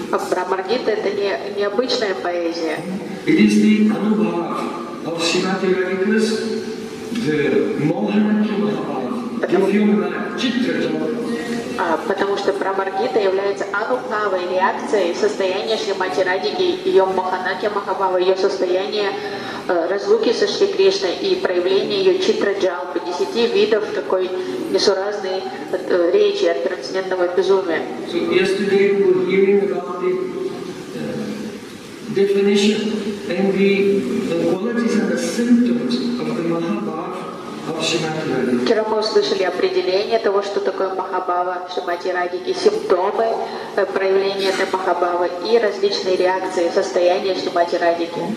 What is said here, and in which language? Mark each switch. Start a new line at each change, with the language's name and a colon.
Russian: Брахмаргита — это не необычная поэзия.
English: It is the anubhava of Srimati Radhika's the
Russian: потому что Брахмаргита является анубхавой реакцией состояния Шримати Радхики, ее Маханакья Махабхава, ее состояние разлуки со Шри Кришной и проявление ее читра-джалпы, десяти видов такой несуразной речи от трансцендентного безумия.
English: So yesterday we were hearing about the definition and the qualities and the symptoms of the Mahabhava
Russian: Вчера мы услышали определение того, что такое Махабхава, Шримати Радхи, и симптомы проявления этой Махабхавы, и различные реакции, состояния Шримати Радхи.